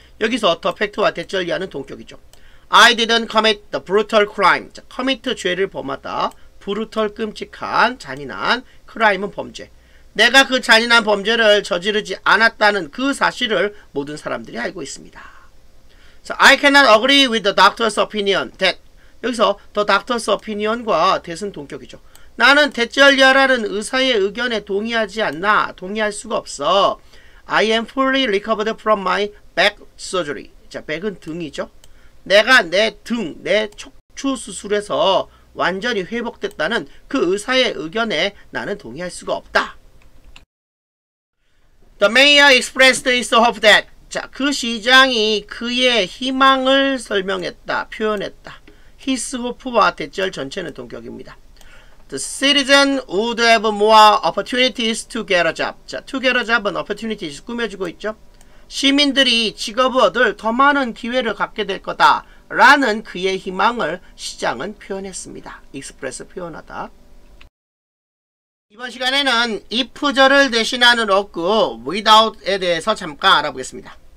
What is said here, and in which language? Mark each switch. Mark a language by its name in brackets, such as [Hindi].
[Korean] 여기서 the fact와 대절 이하는 동격이죠. [English] I didn't commit the brutal crime. [Korean] 자, commit 죄를 범하다. brutal 끔찍한, 잔인한, crime은 범죄. 내가 그 잔인한 범죄를 저지르지 않았다는 그 사실을 모든 사람들이 알고 있습니다. So, I cannot agree with the doctor's opinion that 여기서 the doctor's opinion과 that은 동격이죠. 나는 대절리아라는 의사의 의견에 동의하지 않나, 동의할 수가 없어. [English] I am fully recovered from my back surgery. [Korean] 자, back은 등이죠. 내가 내 등, 내 척추 수술에서 완전히 회복됐다는 그 의사의 의견에 나는 동의할 수가 없다. [English] The mayor expressed his hope that 자, [Korean] 그 시장이 그의 희망을 설명했다, 표현했다. His hope와 대절 전체는 동격입니다. [English] The citizen would have more opportunities to get a job. [Korean] 자, to get a job은 opportunities 꾸며주고 있죠. 시민들이 직업을 얻을 더 많은 기회를 갖게 될 거다 라는 그의 희망을 시장은 표현했습니다. express 표현하다. 이번 시간에는 if절을 대신하는 어구 without에 대해서 잠깐 알아보겠습니다.